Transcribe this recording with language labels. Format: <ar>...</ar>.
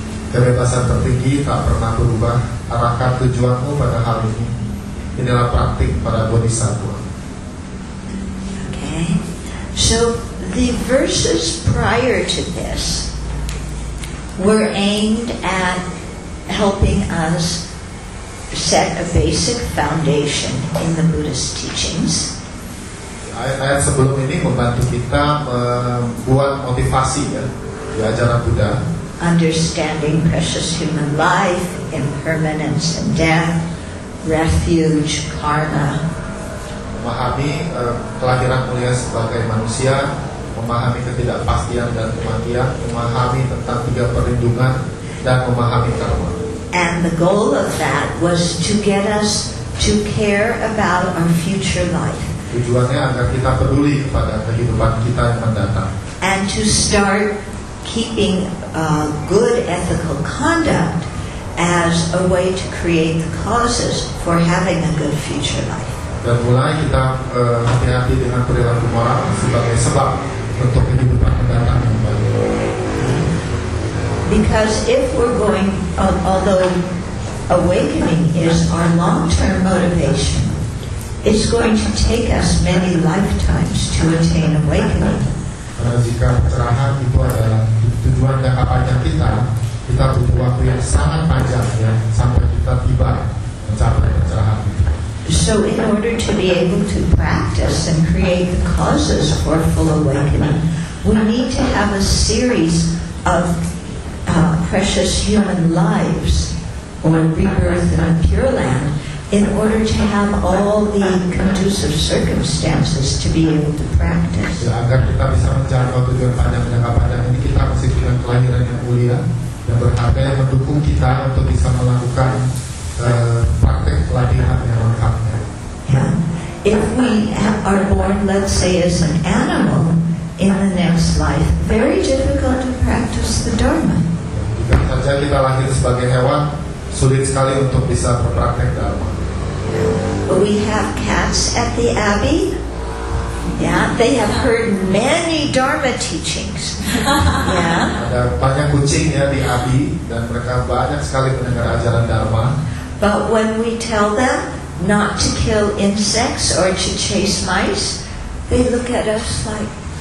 <id>Kebebasan tertinggi tak pernah berubah, arahkan tujuanmu pada hal ini. Inilah praktik para bodhisattva.</id> <en>Okay, so the verses prior to this were aimed at helping us set a basic foundation in the Buddhist teachings.</en> <id>Ayat-ayat sebelum ini membantu kita membuat motivasi ya di ajaran Buddha.</id> <en>Understanding precious human life, impermanence and death, refuge, karma.</en> <id>Memahami kelahiran mulia sebagai manusia, memahami ketidakpastian dan kematian, memahami tentang tiga perlindungan dan memahami karma.</id> <en>And the goal of that was to get us to care about our future life.</en> <id>Tujuannya agar kita peduli kepada kehidupan kita yang mendatang.</id> <en>And to start keeping good ethical conduct as a way to create the causes for having a good future life.</en> <id>Dan mulai kita hati-hati dengan perilaku moral sebagai sebab untuk kehidupan mendatang.</id> <en>Because if we're going, although awakening is our long-term motivation, it's going to take us many lifetimes to attain awakening.</en> <id>Jika pencerahan itu adalah tujuan jangka panjang kita, kita butuh waktu yang sangat panjang ya sampai kita tiba mencapai pencerahan.</id> <en>So in order to be able to practice and create the causes for full awakening, we need to have a series of precious human lives or rebirth in a pure land in order to have all the conducive circumstances to be able to practice.</en> <id>Ya, agar kita bisa mencapai tujuan panjang jangka panjang ini, kita mesti punya kelahiran yang mulia yang berharga yang mendukung kita untuk bisa melakukan praktek pelatihan yang lengkap.</id> <en>If we are born, let's say, as an animal in the next life, very difficult to practice the Dharma.</en> <id>Jika kita lahir sebagai hewan, sulit sekali untuk bisa berpraktek dharma.</id> <en>We have cats at the abbey. Yeah, they have heard many dharma teachings. Yeah.</en> <id>Ada banyak kucing ya di abbey dan mereka banyak sekali mendengar ajaran dharma.</id> <en>But when we tell them not to kill insects or to chase mice, they look at us like.</en>